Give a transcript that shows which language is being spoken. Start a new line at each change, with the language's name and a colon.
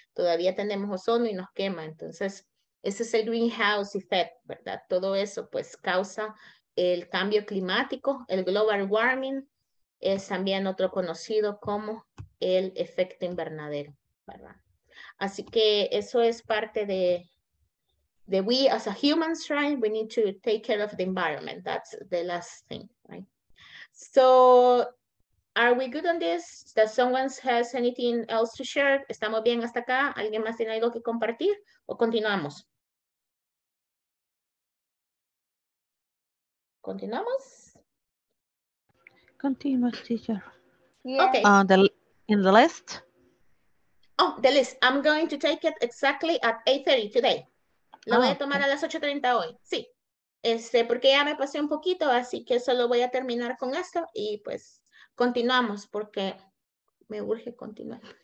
Spanish: Todavía tenemos ozono y nos quema, entonces... Ese es el
English: greenhouse effect,
Spanish: ¿verdad? Todo eso, pues, causa el cambio climático, el
English: global warming,
Spanish: es también otro conocido como el efecto invernadero, ¿verdad? Así que eso es parte de
English: we as a humans, right? We need to take care of the environment. That's the last thing, right? So, are we good on this? Does someone has anything else to share?
Spanish: ¿Estamos bien hasta acá? ¿Alguien más tiene algo que compartir? ¿O continuamos? ¿Continuamos?
English: Continuous teacher. Yeah. Okay. In the list? Oh, the list. I'm going to take it exactly at 8:30 today.
Spanish: Voy a tomar a las 8:30 hoy. Sí. Porque ya me pasé un poquito, así que solo voy a terminar con esto y pues continuamos porque me urge continuar.